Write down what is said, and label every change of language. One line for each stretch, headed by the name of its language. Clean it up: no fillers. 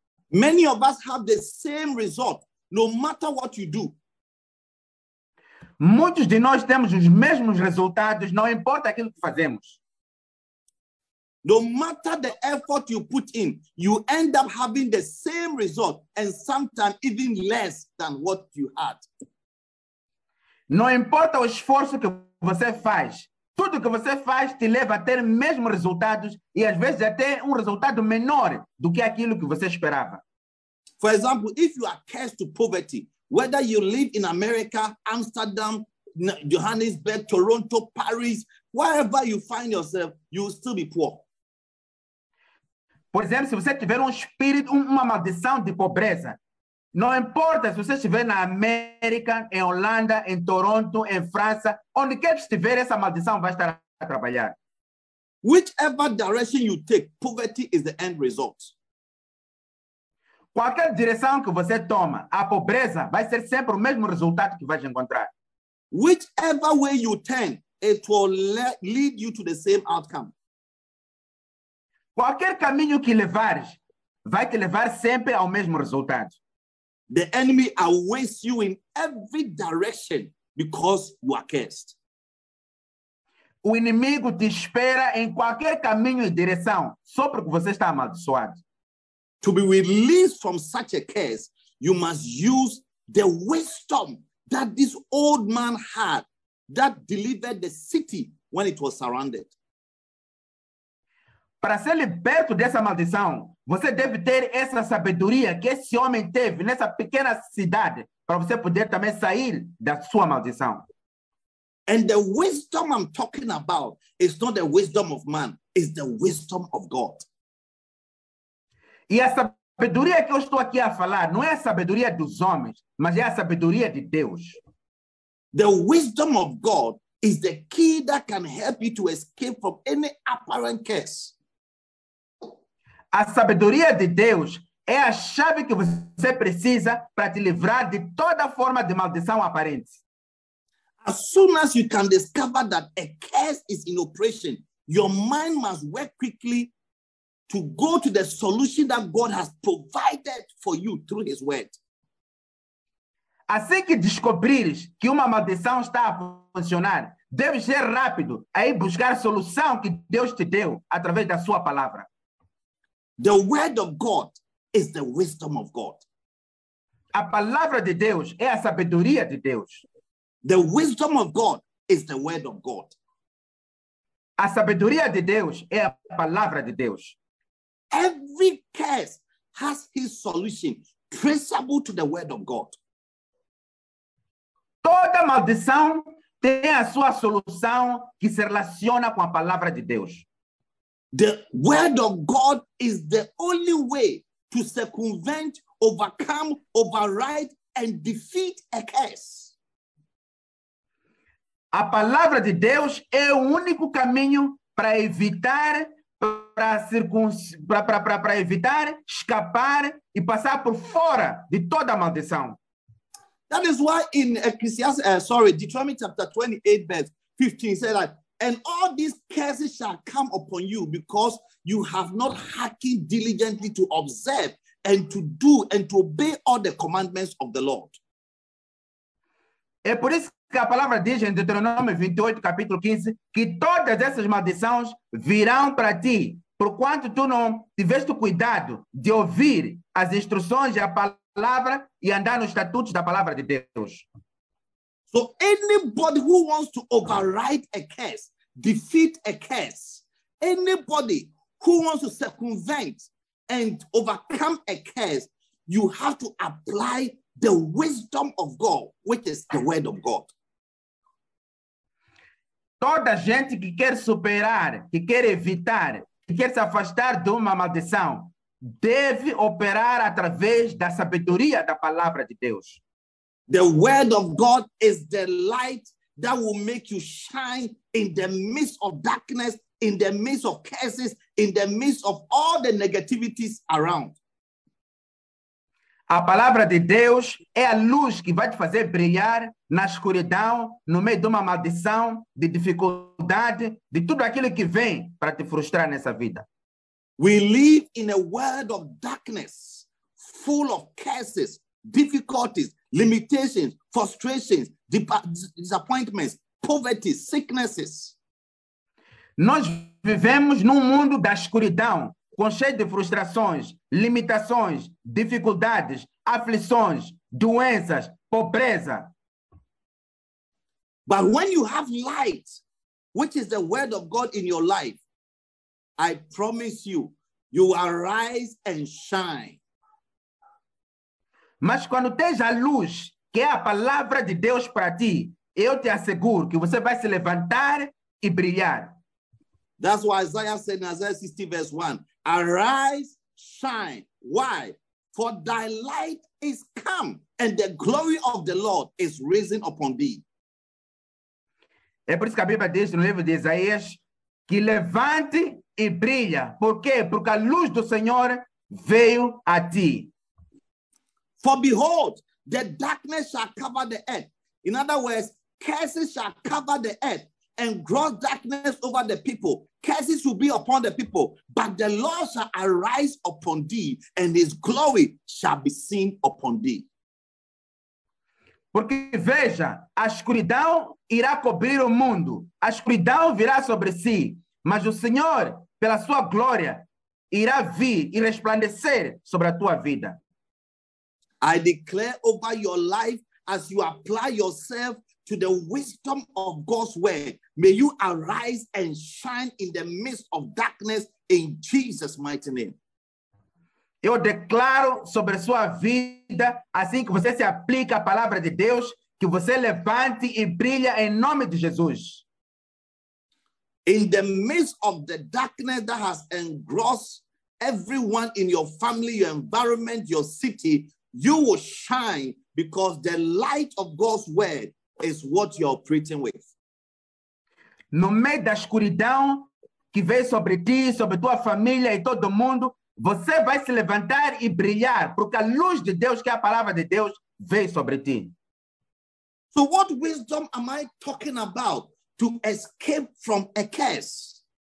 English: Many of us have the same result, no matter what you do.
Portuguese: Muitos de nós temos os mesmos resultados, não importa aquilo que fazemos.
English: No matter the effort you put in, you end up having the same result and sometimes even less than what you had.
Portuguese: Não importa o esforço que você faz, tudo que você faz te leva a ter mesmos resultados e às vezes até resultado menor do que aquilo que você esperava.
English: For example, if you are cursed to poverty, whether you live in America, Amsterdam, Johannesburg, Toronto, Paris, wherever you find yourself, you will still be poor.
Portuguese: Por exemplo, se você tiver espírito, maldição de pobreza, não importa se você estiver na América, em Holanda, em Toronto, em França, onde quer que estiver, essa maldição vai estar a trabalhar.
English: Whichever direction you take, poverty is the end result.
Portuguese: Qualquer direção que você toma, a pobreza vai ser sempre o mesmo resultado que vai encontrar.
English: Whichever way you turn, it will lead you to the same outcome.
Portuguese: Qualquer caminho que levares, vai te levar sempre ao mesmo resultado.
English: The enemy awaits you in every direction because you are cursed.
Portuguese: O inimigo te espera em qualquer caminho e direção, só porque você está amaldiçoado.
English: To be released from such a curse, you must use the wisdom that this old man had that delivered the city when it was surrounded.
Portuguese: Para ser liberto dessa maldição, você deve ter essa sabedoria que esse homem teve nessa pequena cidade para você poder também sair da sua maldição.
English: And the wisdom I'm talking about is not the wisdom of man, it's the wisdom of God.
Portuguese: E a sabedoria que eu estou aqui a falar não é a sabedoria dos homens, mas é a sabedoria de Deus.
English: The wisdom of God is the key that can help you to escape from any apparent curse.
Portuguese: A sabedoria de Deus é a chave que você precisa para te livrar de toda forma de maldição aparente.
English: As soon as you can discover that a curse is in operation, your mind must work quickly to go to the solution that God has provided for you through his word.
Portuguese: Assim que descobrires que uma maldição está a funcionar, deve ser rápido a ir buscar a solução que Deus te deu através da sua palavra.
English: The word of God is the wisdom of God.
Portuguese: A palavra de Deus é a sabedoria de Deus.
English: The wisdom of God is the word of God.
Portuguese: A sabedoria de Deus é a palavra de Deus.
English: Every curse has his solution traceable to the word of God.
Portuguese: Toda maldição tem a sua solução que se relaciona com a palavra de Deus.
English: The word of God is the only way to circumvent, overcome, override, and defeat a curse.
Portuguese: A palavra de Deus é o único caminho para evitar, para evitar, escapar e passar por fora de toda a maldição.
English: That is why in Deuteronomy chapter 28, verse 15, says that, and all these curses shall come upon you because you have not hearkened diligently to observe and to do and to obey all the commandments of the Lord.
Portuguese: É por isso que a palavra diz em Deuteronômio 28, capítulo 15, que todas essas maldições virão para ti, porquanto tu não tiveste cuidado de ouvir as instruções e a palavra e andar nos estatutos da palavra de Deus.
English: So anybody who wants to override a curse, defeat a curse, anybody who wants to circumvent and overcome a curse, you have to apply the wisdom of God, which is the word of God.
Portuguese: Toda gente que quer superar, que quer evitar, que quer se afastar de uma maldição, deve operar através da sabedoria da palavra de Deus.
English: The word of God is the light that will make you shine in the midst of darkness, in the midst of curses, in the midst of all the negativities around.
Portuguese: A palavra de Deus é a luz que vai te fazer brilhar na escuridão, no meio de uma maldição, de dificuldade, de tudo aquilo que vem para te frustrar nessa vida.
English: We live in a world of darkness, full of curses, difficulties, limitations, frustrations, disappointments, poverty, sicknesses.
Portuguese: Nós vivemos num mundo da escuridão, com cheio de frustrações, limitações, dificuldades, aflições, doenças, pobreza.
English: But when you have light, which is the word of God in your life, I promise you, you arise and shine.
Portuguese: Mas quando tens a luz, que é a palavra de Deus para ti, eu te asseguro que você vai se levantar e brilhar.
English: That's why Isaiah said in Isaiah 60, verse 1, arise, shine. Why? For thy light is come, and the glory of the Lord is risen upon thee.
Portuguese: É por isso que a Bíblia diz no livro de Isaías, que levante e brilha. Por quê? Porque a luz do Senhor veio a ti.
English: For behold, the darkness shall cover the earth. In other words, curses shall cover the earth and gross darkness over the people. Curses will be upon the people, but the Lord shall arise upon thee and his glory shall be seen upon thee.
Portuguese: Porque veja, a escuridão irá cobrir o mundo, a escuridão virá sobre si, mas o Senhor, pela sua glória, irá vir e resplandecer sobre a tua vida.
English: I declare over your life as you apply yourself to the wisdom of God's word. May you arise and shine in the midst of darkness in Jesus' mighty name.
Portuguese: Eu declaro sobre a sua vida, assim que você se aplica à palavra de Deus, que você levante e brilha em nome de Jesus.
English: In the midst of the darkness that has engrossed everyone in your family, your environment, your city, you will shine because the light of God's word is what you're operating with.
Portuguese: No meio da escuridão que vem sobre ti, sobre tua família e todo mundo, você vai se levantar e brilhar, porque a luz de Deus, que é a palavra de Deus, vem sobre ti.
English: So what wisdom am I talking about to escape from a curse?